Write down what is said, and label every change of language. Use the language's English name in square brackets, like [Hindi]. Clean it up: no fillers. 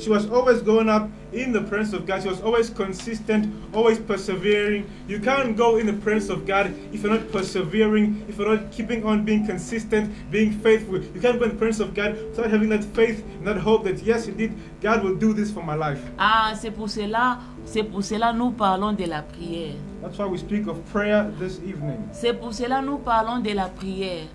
[English] She was always going up in the presence of God. She was always consistent, always persevering. You can't go in the presence of God if you're not persevering, if you're not keeping on being consistent, being faithful. You can't go in the presence of God without having that faith and that hope that yes, indeed, God will do this for my life. [French] Ah, c'est pour cela nous parlons de la prière. [English] That's why we speak of prayer this evening. [French] C'est pour cela nous parlons de la prière.